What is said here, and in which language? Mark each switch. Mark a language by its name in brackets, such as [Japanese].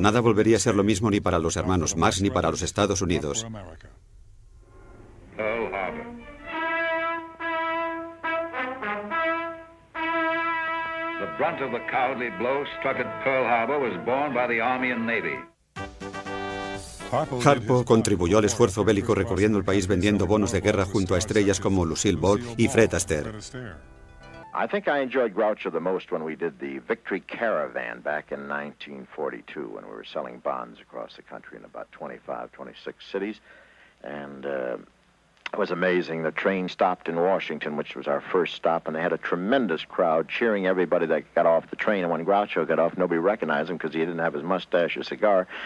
[Spanish] Nada volvería a ser lo mismo ni para los hermanos Marx ni para los Estados Unidos. [English] The brunt of the cowardly blow struck at Pearl Harbor was borne by the Army and Navy. [Spanish] Harpo contribuyó al esfuerzo bélico recorriendo el país vendiendo bonos de guerra junto a estrellas como Lucille Ball y Fred Astaire. [English] I think I enjoyed Groucho the most when we did the Victory Caravan back in 1942 when we were selling bonds across the country in about 25, 26 cities. And it was amazing. The train stopped in Washington, which was our first stop, and they had a tremendous crowd cheering everybody that got off the train. And when Groucho got off, nobody recognized him because he didn't have his mustache or cigar.